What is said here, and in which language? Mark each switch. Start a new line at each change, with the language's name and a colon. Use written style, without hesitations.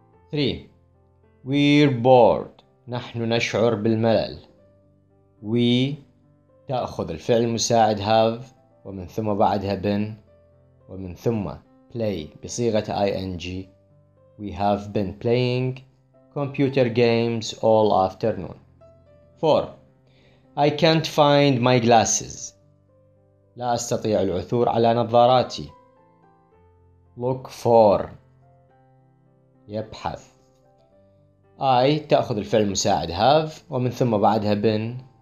English: 3. We're bored.
Arabic: نحن نشعر بالملل. We تأخذ الفعل المساعد have ومن ثم بعدها been ومن ثم play بصيغة ing.
English: We have been playing computer games all afternoon. 4. I can't find my glasses.
Arabic: لا أستطيع العثور على نظاراتي.
English: Look for يبحث.
Arabic: I تأخذ الفعل المساعد have ومن ثم بعدها been.